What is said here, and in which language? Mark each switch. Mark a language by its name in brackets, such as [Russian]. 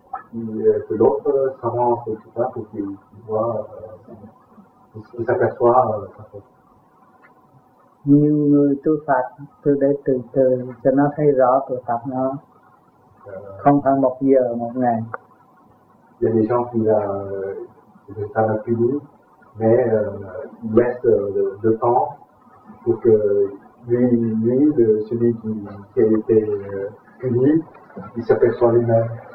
[French] Que l'autre s'avance tout ça pour qu'il voit, il s'aperçoit. [Vietnamese] Nhiều người tôi phạt, tôi để từ từ cho nó thấy rõ tôi phạt nó, không phải một giờ, một ngày. [French] Il y a des gens qui ne savent plus dire, mais ils laissent le temps pour que lui, celui qui a été puni, il s'aperçoit lui-même.